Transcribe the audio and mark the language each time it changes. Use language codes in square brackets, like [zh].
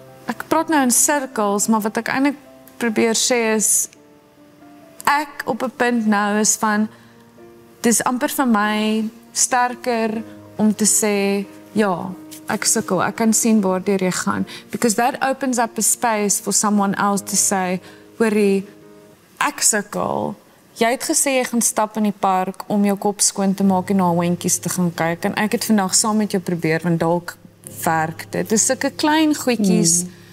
[af] Ek praat nou in cirkels, maar wat ek eintlik probeer sê is, ek op 'n punt nou is van, dis amper vir my sterker om te sê, ja, ek sukkel, ek kan sien waardeur jy gaan. [en] Because that opens up a space for someone else to say, [af] hoorie, ek sukkel. Jy het gesê jy gaan stap in die park om jou kop skoon te maak en na hondjies te gaan kyk. En ek het vandag saam met jou probeer, want dalk werk dit. Dis sulke klein goedjies.